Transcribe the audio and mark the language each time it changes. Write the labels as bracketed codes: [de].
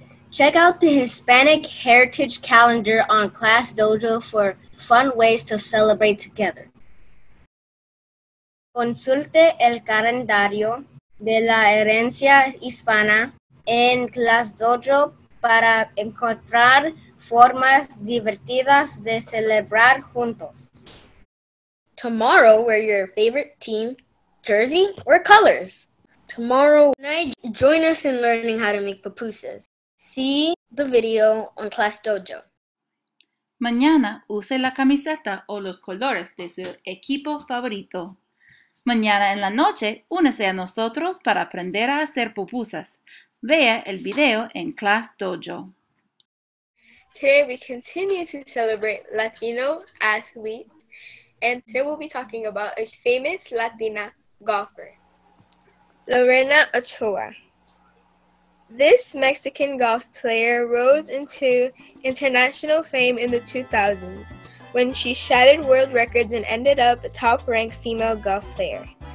[en] Check out the Hispanic Heritage Calendar on Class Dojo for fun ways to celebrate together. [es] Consulte el calendario de la herencia hispana en Class Dojo para encontrar formas divertidas de celebrar juntos. [en] Tomorrow, wear your favorite team, jersey, or colors. Tomorrow night, join us in learning how to make pupusas. See the video on Class Dojo. [es] Mañana use la camiseta o los colores de su equipo favorito. Mañana en la noche, únese a nosotros para aprender a hacer pupusas. Vea el video en Class Dojo. [en] Today we continue to celebrate Latino athletes, and today we'll be talking about a famous Latina golfer, Lorena Ochoa. This Mexican golf player rose into international fame in the 2000s when she shattered world records and ended up a top-ranked female golf player.